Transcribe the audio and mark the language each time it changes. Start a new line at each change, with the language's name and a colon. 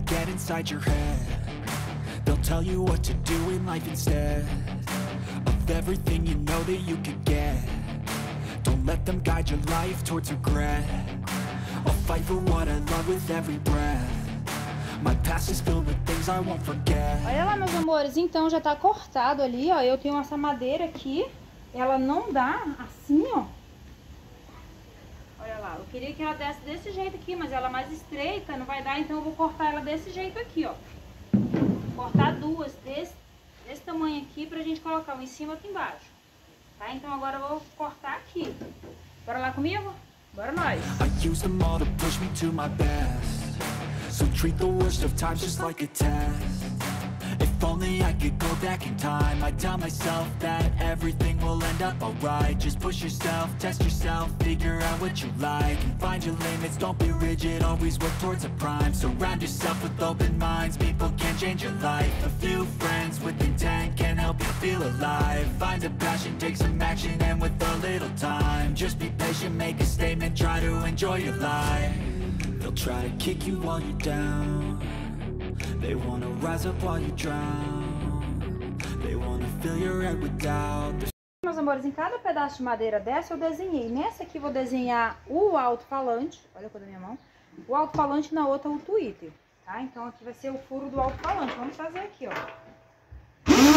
English: Inside your head, they'll tell you what to do in life instead of everything you know that you could get. Don't let them guide your life towards regret. I'll fight for what I love with every breath. My past is filled with things I won't forget.
Portuguese: Olha lá, meus amores, então já tá cortado ali, ó. Eu tenho essa madeira aqui, ela não dá assim, ó. Olha lá, eu queria que ela desse desse jeito aqui, mas ela é mais estreita, não vai dar, então eu vou cortar ela desse jeito aqui, ó. Cortar duas desse tamanho aqui pra gente colocar um em cima e outro embaixo. Tá? Então agora eu vou cortar aqui. Bora lá comigo? Bora nós.
English: I use them all to push me to my best. So treat the worst of times just like a test. If only I could go back in time, I'd tell myself that everything will end up alright. Just push yourself, test yourself, figure out what you like, and find your limits, don't be rigid, always work towards a prime. Surround yourself with open minds, people can change your life. A few friends with intent can help you feel alive. Find a passion, take some action, and with a little time, just be patient, make a statement, try to enjoy your life. They'll try to kick you while you're down. They wanna rise up while you drown. They wanna fill your head with doubt.
Portuguese: Meus amores, em cada pedaço de madeira dessa eu desenhei. Nessa aqui vou desenhar o alto-falante. Olha a cor da minha mão. O alto-falante, na outra o Twitter. Tá? Então aqui vai ser o furo do alto-falante. Vamos fazer aqui, ó.